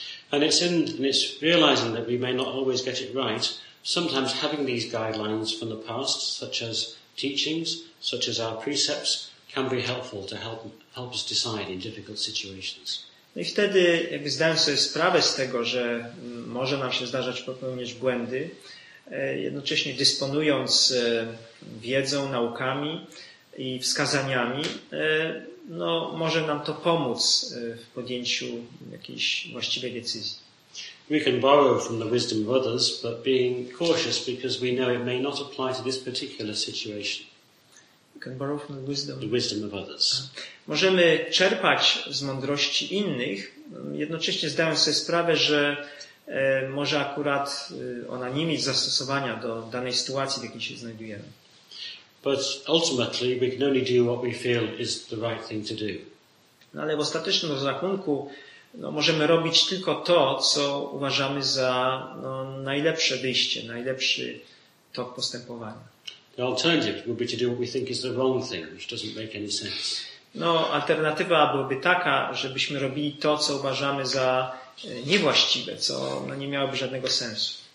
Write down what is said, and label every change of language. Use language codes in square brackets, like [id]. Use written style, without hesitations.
[en] And it's realizing that we may not always get it right. Sometimes having these guidelines from the past, such as teachings, such as our precepts, can be helpful to help us decide in difficult situations. [pl] No i wtedy, jakby zdając sobie sprawę z tego, że może nam się zdarzać popełnić błędy, jednocześnie dysponując wiedzą, naukami i wskazaniami, no może nam to pomóc w podjęciu jakiejś właściwej decyzji. [en] We can borrow from the wisdom of others, but being cautious because we know it may not apply to this particular situation. We can borrow from the wisdom of others. [pl] Możemy czerpać z mądrości innych, jednocześnie zdając sobie sprawę, że może akurat ona nie mieć zastosowania do danej sytuacji, w jakiej się znajdujemy. [en] But ultimately we can only do what we feel is the right thing to do. [pl] No ale w ostatecznym rozrachunku no, możemy robić tylko to, co uważamy za no, najlepsze wyjście, najlepszy tok postępowania. [en] The alternative would be to do what we think is the wrong thing, which doesn't make any sense. [pl] No, alternatywa byłaby taka, żebyśmy robili to, co uważamy za niewłaściwe, co no, nie miałoby żadnego sensu.